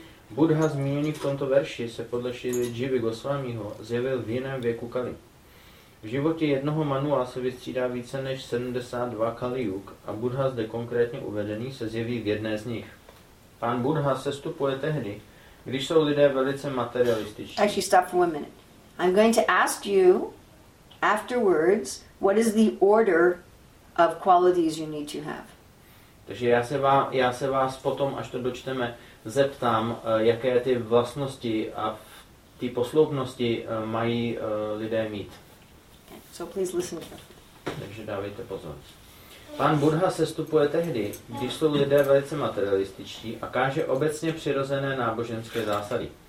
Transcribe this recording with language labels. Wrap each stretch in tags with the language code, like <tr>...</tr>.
<cs>Buddha zmíněný v tomto verši se podle Šrily Jivy Gosvámího zjevil v jiném věku Kali. V životě jednoho manua se vystřídá více než 72 Kali-jug a Buddha zde konkrétně uvedený se zjeví v jedné z nich. Pán Buddha sestupuje tehdy, když jsou lidé velice materialističtí.</cs> <en>Actually, stop for one minute. I'm going to ask you afterwards, what is the order of qualities you need to have?</en> <cs>Takže já se vás potom, až to dočteme, zeptám, jaké ty vlastnosti a ty posloupnosti mají lidé mít.</cs> <en>Okay. So please listen to.</en> <cs>Takže dávejte pozor. Pán Buddha sestupuje tehdy, když jsou lidé velice materialističtí a káže obecně přirozené náboženské zásady.</cs>